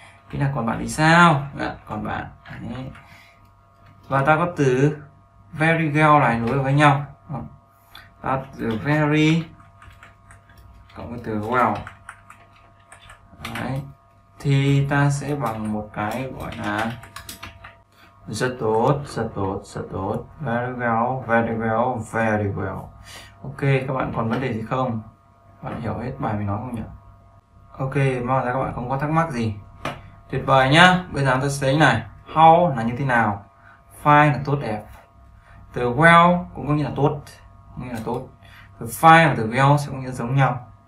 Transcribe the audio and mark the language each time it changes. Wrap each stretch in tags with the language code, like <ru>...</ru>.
<vi>Cái là còn bạn thì sao? Đã, còn bạn. Đấy. Và ta có từ very well này nối với nhau. Ta từ very cộng với từ well. Đấy. Thì ta sẽ bằng một cái gọi là Rất tốt, rất tốt, rất tốt.</vi> <en>Very well, very well, very well.</en> <vi>Ok, các bạn còn vấn đề gì không? Bạn hiểu hết bài mình nói không nhỉ? Ok, mong là các bạn không có thắc mắc gì. Tuyệt vời nhá. Bây giờ tôi sẽ thấy này. How là như thế nào? Fine là tốt đẹp. Từ well cũng có nghĩa là tốt, cũng nghĩa là tốt. Từ fine và từ well sẽ có nghĩa giống nhau.</vi>